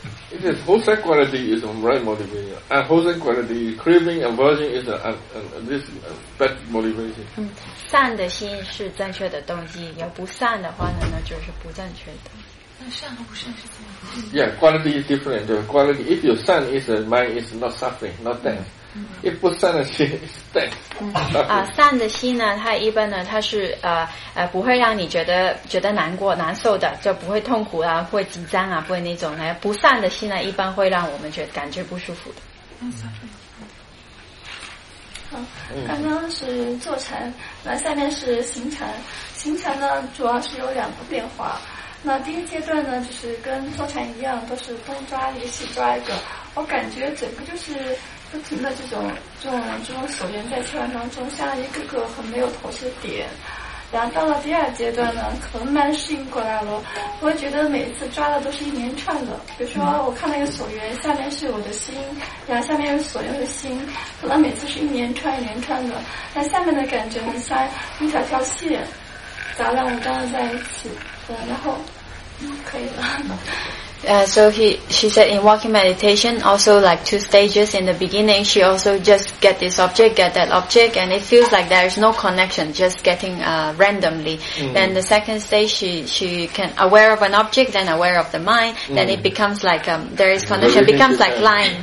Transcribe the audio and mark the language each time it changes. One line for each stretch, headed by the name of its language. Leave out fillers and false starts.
English: It is wholesome quality is the right motivation. And wholesome quality, craving, aversion is this bad motivation.
Chinese: 善的心是正确的动机，有不善的话呢，那就是不正确的。那善和不善是怎
English: 么？Yeah, quality is different. The quality, if your 善 is mind is not suffering, not thanks. If
Chinese: 不善的心
English: is thanks.
Chinese: 善的心呢，它一般呢，它是不会让你觉得难过、难受的，就不会痛苦啊，会紧张啊，不会那种呢。不善的心呢，一般会让我们感觉不舒服的。刚刚是坐禅，那下面是行禅。行禅呢，主要是有两个变化。那第一阶段呢，就是跟坐禅一样，都是东抓一个西抓一个。我感觉整个就是不停的这种手缘在圈当中，像一个个很没有头绪的点。然后到了第二阶段呢，可能慢适应过来了，我会觉得每一次抓的都是一连串的。比如说我看到一个所缘，下面是我的心，然后下面有所缘的心，可能每次是一连串一连串的。那下面的感觉很像一条条线，杂乱无章的在一起。然后，可以了。
English: So she said in walking meditation, also like two stages. In the beginning, she also just get this object, get that object, and it feels like there is no connection, just getting randomly. Mm-hmm. Then the second stage, she can aware of an object, then aware of the mind, mm-hmm. then it becomes like there is connection, it becomes like lines.